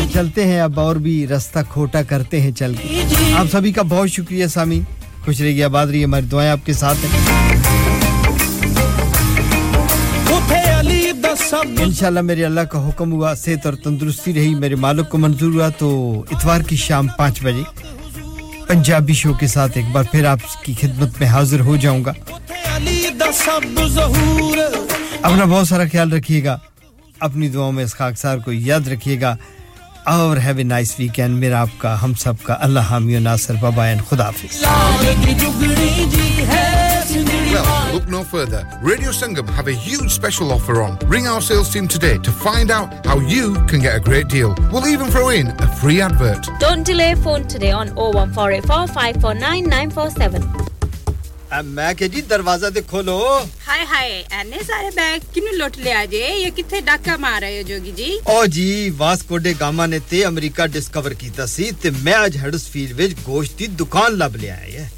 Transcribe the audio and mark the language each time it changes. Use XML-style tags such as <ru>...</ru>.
<hi>चलते हैं अब और भी रास्ता खोटा करते हैं चल के आप सभी का बहुत शुक्रिया सामी खुश रहिए आबाद रहिए हमारी दुआएं आपके साथ हैं इंशाल्लाह मेरे अल्लाह का हुक्म हुआ सेहत और तंदुरुस्ती रही मेरे मालिक को मंजूर हुआ तो इतवार की शाम 5 बजे पंजाबी शो के साथ एक बार फिर आपकी खिदमत में हाजिर हो जाऊंगा अपना बहुत सारा ख्याल रखिएगा अपनी दुआओं में इस खाकसार को याद रखिएगा और</hi> <en>have a nice weekend</en> <hi>मेरा आपका हम सब का अल्लाह हामी और नासर बाय एंड खुदा हाफिज़</hi> <en>Well, look no further. Radio Sangam have a huge special offer on. Ring our sales team today to find out how you can get a great deal. We'll even throw in a free advert. Don't delay phone today on 01484549947.</en> <pa>ਮੈਂ ਕਿ ਜੀ ਦਰਵਾਜ਼ਾ ਤੇ ਖੋਲੋ ਹਾਏ ਹਾਏ ਐਨੇ ਸਾਰੇ ਬੈਗ ਕਿਨੂੰ ਲੁੱਟ ਲਿਆ ਜੇ ਇਹ ਕਿੱਥੇ ਡਾਕਾ ਮਾਰ ਰਹੇ ਹੋ ਜੋਗੀ ਜੀ ਓ ਜੀ ਵਾਸਕੋਡੇ ਗਾਮਾ ਨੇ ਤੇ ਅਮਰੀਕਾ ਡਿਸਕਵਰ ਕੀਤਾ ਸੀ ਤੇ ਮੈਂ ਅੱਜ ਹਡਸਫੀਲ ਵਿੱਚ ਗੋਸ਼ਤ ਦੀ ਦੁਕਾਨ ਲੱਭ ਲਿਆ ਹੈ</pa>